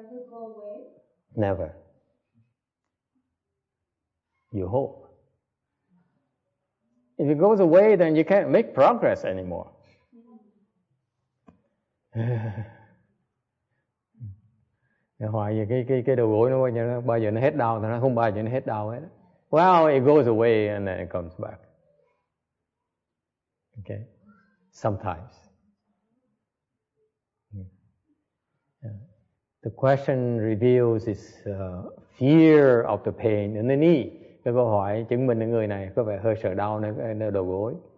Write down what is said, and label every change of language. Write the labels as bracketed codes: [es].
[en] But if they be hurt, eventually will it ever go away? Never. You hope. If it goes away, then you can't make progress anymore. [vi] Hỏi gì cái đầu gối nó bao giờ nó hết đau, nó không bao giờ nó hết đau hết. [en] Well, it goes away and then it comes back. Okay. Sometimes. The question reveals is fear of the pain in the knee. [vi] Cái câu hỏi chứng minh người này có vẻ hơi sợ đau nơi đầu gối.